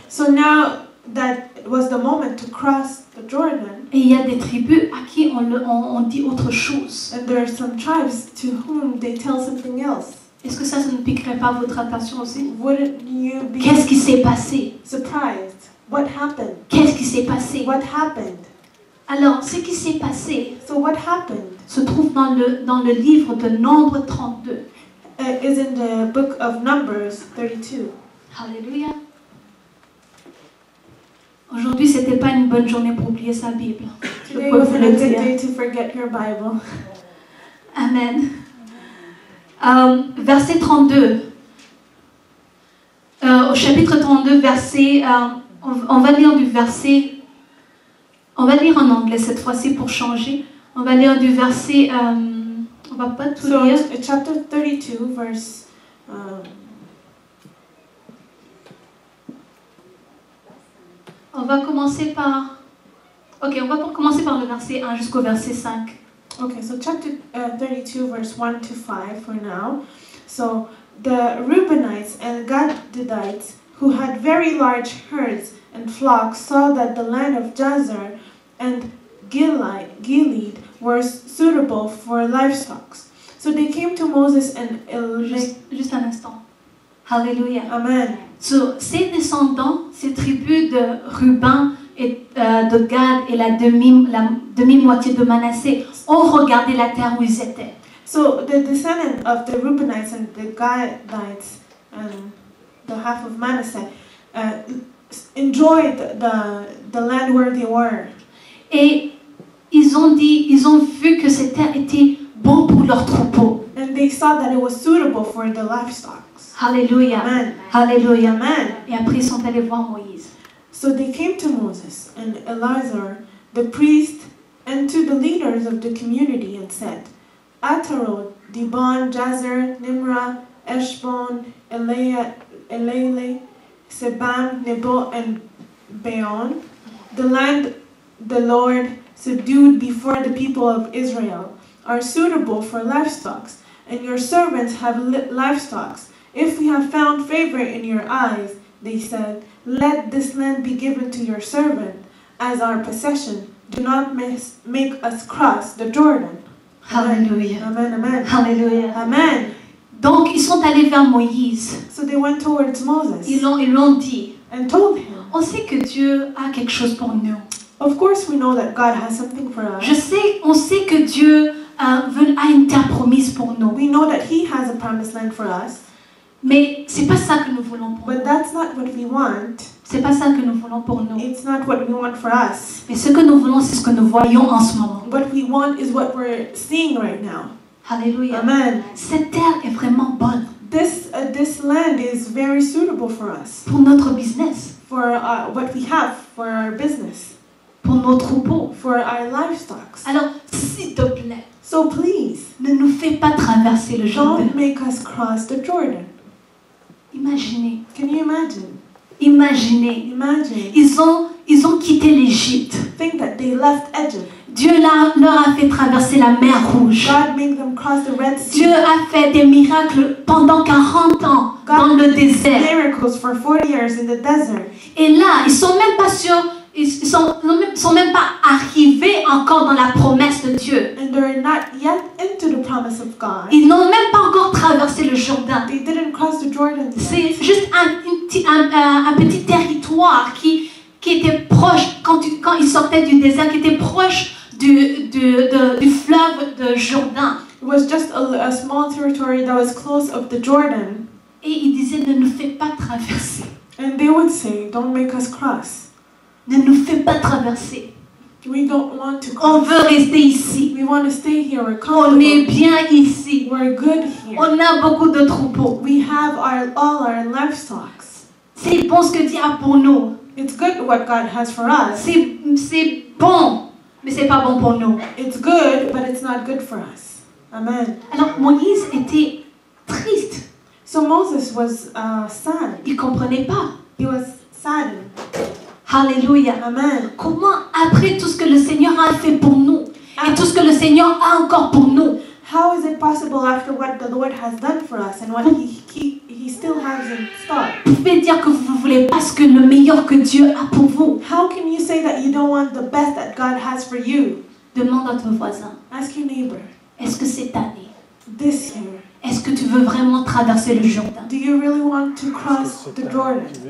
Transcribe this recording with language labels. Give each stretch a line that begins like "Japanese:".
English: So now that was the moment to cross the Jordan.
French: Et il y a des tribus à qui on dit autre chose.
English: And there are some tribes to whom they tell something else.
French: Est-ce que ça ne piquerait pas votre attention aussi?
English: Wouldn't you be
French: Qu'est-ce qui s'est passé?
English: Surprised. What happened?
French: Qu'est-ce qui s'est passé?
English: What happened?
French: Alors, ce qui s'est passé
English: So what happened?
French: Se trouve dans le livre de Nombre 32.
English: Is in the book of Numbers 32. Hallelujah.
French: Aujourd'hui, ce n'était pas une bonne journée pour oublier sa Bible.
English: Today was a good day to forget your Bible.
French: Amen. Verset 32. Au chapitre 32, verset. On va lire du verset. On va lire en anglais cette fois-ci pour changer. On va lire du verset. On va pas tout lire.
English: So, chapter 32, verse.
French: On va commencer par. Ok, on va commencer par le verset 1 jusqu'au verset 5.
English: Okay, so chapter 32, verse 1 to 5 for now. So the Reubenites and Gadites, who had very large herds and flocks, saw that the land of Jazer and Gilead were suitable for livestock. So they came to Moses and
French: Just un instant. Hallelujah. Amen. So ces descendants, ces tribus de Ruben, et de Gad et la demi-moitié de Manassé ont regardé la terre où ils étaient.
English: So the descendants of the Reubenites and the Gadites, the half of Manasseh, enjoyed the land where they were.
French: Et ils ont dit, ils ont vu que cette terre était bon pour leurs troupeaux.
English: And they saw that it was suitable for the livestock. Hallelujah. Amen. Hallelujah. Amen.
French: Et après ils sont allés voir Moïse.
English: So they came to Moses and Eleazar, the priest, and to the leaders of the community and said, Atarot, Dibon, Jazer, Nimrah, Eshbon, Elele, Sebam, Nebo, and Beon, the land the Lord subdued before the people of Israel, are suitable for livestock, and your servants have livestock. If we have found favor in your eyes, they said, Let this land be given to your servant as our possession. Do not make us cross the Jordan. Hallelujah. Amen, amen. Hallelujah. Amen.
French: Donc, ils sont allés vers Moïse.
English: So they went towards Moses.
French: Ils l'ont dit.
English: And told him.
French: On sait que Dieu a quelque chose pour nous.
English: Of course we know that God has something for us.
French: On sait que Dieu a une terre promise pour nous.
English: We know that he has a promised land for us.
French: Mais c'est pas ça que nous voulons pour nous.
English: But that's not what we want.
French: C'est pas ça que nous voulons pour nous.
English: It's not what we want for us.
French: Mais ce que nous voulons, c'est ce que nous voyons en ce moment.
English: What we want is what we're seeing right now. Hallelujah. Amen.
French: Cette terre est vraiment bonne.
English: This land is very suitable for us.
French: Pour notre business.
English: For what we have for our business.
French: Pour nos troupeaux.
English: For our livestock.
French: Alors, s'il te plaît.
English: So please.
French: Ne nous fais pas traverser le Jordan.
English: Don't make us cross the Jordan.
French: Imaginez.
English: Can you imagine?
French: Imaginez.
English: Imagine.
French: Ils ont quitté l'Égypte.
English: Think that they left Egypt.
French: Dieu leur a fait traverser la mer Rouge.
English: God made them cross the Red Sea.
French: Dieu a fait des miracles pendant 40 ans
English: God
French: dans le désert.
English: Miracles for 40 years in the desert.
French: Et là, ils sont même pas sûrs, ils sont même pas arrivés encore dans la promesse de Dieu.
English: And they're not yet into the promise of God.
French: Ils n'ont même pas encore traversé le Jourdain.
English: They didn't cross the Jordan yet.
French: C'est juste un petit territoire qui était proche quand ils sortaient du désert, qui était proche du fleuve de Jourdain.
English: It was just a small territory that was close of the Jordan.
French: Et ils disaient ne nous fais pas traverser.
English: And they would say, don't make us cross.
French: Ne nous fais pas traverser.
English: We don't want to
French: on veut rester ici.
English: We want to stay here. We're comfortable.
French: On est bien ici.
English: We're good here.
French: On a beaucoup de troupeaux.
English: We have all our livestock.
French: C'est bon ce que Dieu a pour nous.
English: It's good what God has for us.
French: C'est bon, mais c'est pas bon pour nous.
English: It's good, but it's not good for us. Amen.
French: Alors Moïse était triste.
English: So Moses was sad.
French: Il comprenait pas.
English: He was sad. Alléluia. Amen.
French: Comment après tout ce que le Seigneur a fait pour nous et tout ce que le Seigneur a encore pour nous?
English: How is it possible after what the Lord has done for us and what he still hasn't stopped?
French: Vous pouvez dire que vous voulez pas ce que le meilleur que Dieu a pour vous.
English: How can you say that you don't want the best that God has for you?
French: Demande à ton voisin.
English: Ask your neighbor.
French: Est-ce que cette année?
English: This year.
French: Est-ce que tu veux vraiment traverser le Jourdain?
English: Do you really want to cross the Jordan?